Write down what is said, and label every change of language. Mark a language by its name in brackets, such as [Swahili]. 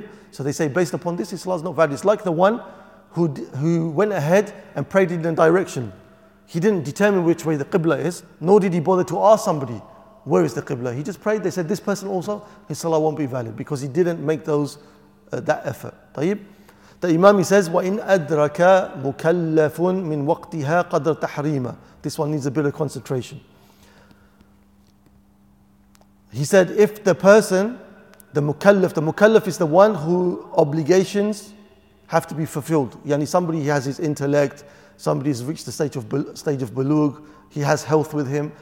[English] So they say based upon this, Islam is not valid. It's like the one who went ahead and prayed in the direction. He didn't determine which way the Qibla is, nor did he bother to ask somebody, where is the Qibla? He just prayed. They said, this person also, his salah won't be valid because he didn't make those that effort. [Arabic] طيب. [English] The Imam, he says, [Arabic] وَإِنْ أَدْرَكَ مُكَلَّفٌ مِنْ وَقْتِهَا قَدْرَ تَحْرِيمًا. [English] This one needs a bit of concentration. He said, if the person, the mukallaf is the one who obligations have to be fulfilled. Yani somebody, he has his intellect, somebody has reached the stage of balugh, he has health with him.